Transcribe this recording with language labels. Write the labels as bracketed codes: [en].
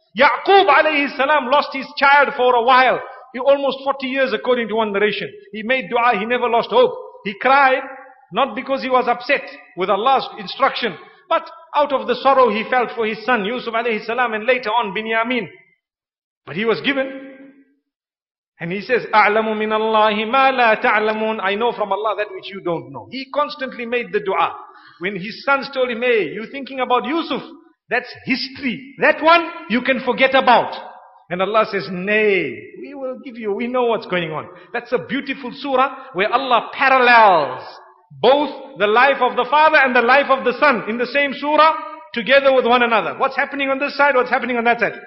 [en] Ya'qub alayhi salam lost his child for a while. He almost 40 years according to one narration. He made dua, he never lost hope. He cried, not because he was upset with Allah's instruction, but out of the sorrow he felt for his son Yusuf alayhi salam and later on Binyamin. But he was given. And he says, [ar] أَعْلَمُ مِنَ اللَّهِ مَا لَا تَعْلَمُونَ. [en] I know from Allah that which you don't know. He constantly made the dua. When his sons told him, hey, you're thinking about Yusuf? That's history. That one you can forget about. And Allah says, nay, we will give you, we know what's going on. That's a beautiful surah where Allah parallels both the life of the father and the life of the son in the same surah together with one another. What's happening on this side? What's happening on that side?